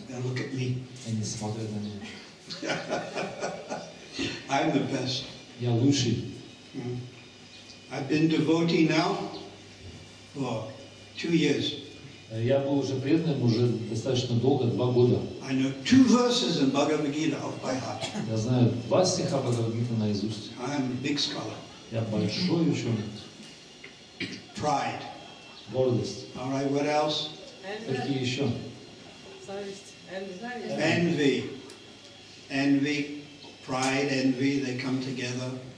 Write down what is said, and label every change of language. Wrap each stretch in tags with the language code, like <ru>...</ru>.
<en>They look at me.</en> <ru>Они смотрят на меня.</ru> <en>I'm the best.</en> <ru>Я лучший.</ru> <en>I've been devotee now for 2 years.</en> <ru>Я был уже преданным уже достаточно долго, 2 года.</ru> <en>I know 2 verses in Bhagavad Gita off by heart.</en> <ru>Я знаю 2 стиха Бхагавад Гиты наизусть.</ru> <en>I am a big scholar.</en> <ru>Я большой ученый.</ru> <en>Pride.</en> <ru>Гордость.</ru> <en>All right, what else?</en> <ru>Какие еще? Зависть.</ru> <en>Envy. Envy, pride, envy, they come together.</en>